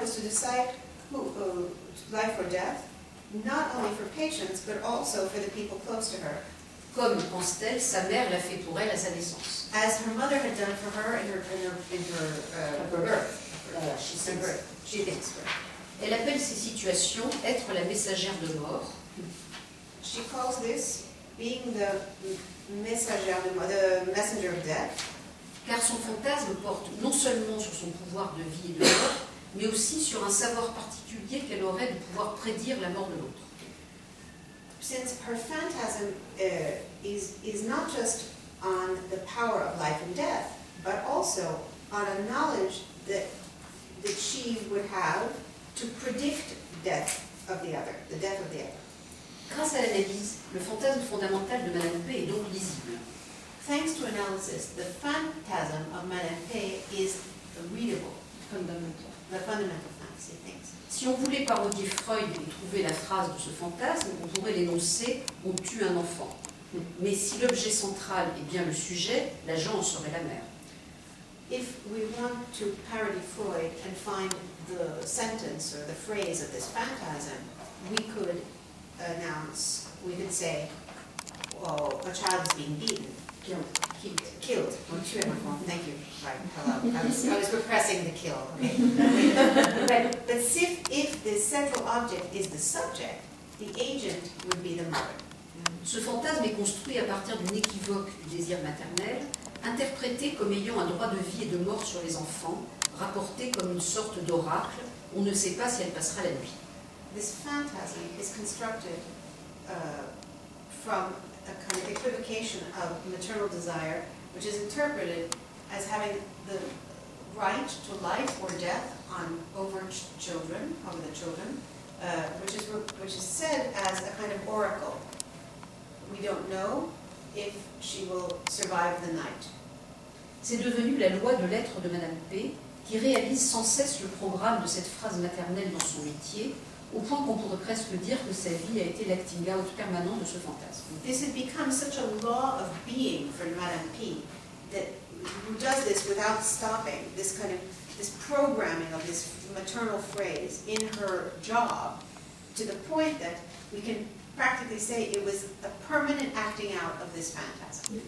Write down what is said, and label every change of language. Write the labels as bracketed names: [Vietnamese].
[English] was to decide who, life or death, not only for patients but also for the people close to her. [French] Comme pense-t-elle, sa mère l'a fait pour elle à sa naissance. [English] As her mother had done for her in her birth. She thinks. [French] Elle appelle ces situations être la messagère de mort. [English] She calls this being the [French] messager de mort, [English] the messenger of death. [French] Car son fantasme porte non seulement sur son pouvoir de vie et de mort, mais aussi sur un savoir particulier qu'elle aurait de pouvoir prédire la mort de l'autre. [English] Since her phantasm is not just on the power of life and death, but also on a knowledge that she would have to predict death of the other, the death of the other. [French] Grâce à l'analyse, le fantasme fondamental de Madame P est donc lisible. [English] Thanks to analysis, the phantasm of Madame P is readable. Fundamental. The fundamental fantasy, thanks. [French] Si on voulait parodier Freud et trouver la phrase de ce fantasme, on pourrait l'énoncer « on tue un enfant ». Mais si l'objet central est bien le sujet, l'agent en serait la mère. [English] If we want to parody Freud and find the sentence or the phrase of this phantasm, we could announce, we could say, a child is being beaten. Killed. [French] On tue un enfant. [English] Thank you. Right. Hello. I was repressing the kill. Okay. But if the central object is the subject, the agent would be the mother. [French] Ce fantasme est construit à partir d'une équivoque du désir maternel, interprété comme ayant un droit de vie et de mort sur les enfants, rapporté comme une sorte d'oracle, on ne sait pas si elle passera la nuit. [English] This fantasy is constructed from a kind of equivocation of maternal desire, which is interpreted as having the right to life or death over the children, which is said as a kind of oracle. We don't know if she will survive the night. [French] C'est devenu la loi de l'être de Madame P, qui réalise sans cesse le programme de cette phrase maternelle dans son métier, au point qu'on pourrait presque dire que sa vie a été l'acting out permanent de ce fantasme. [English] This has become such a law of being for Madame P that who does this without stopping, this kind of, this programming of this maternal phrase in her job, to the point that we can practically say it was a permanent acting out of this phantasm.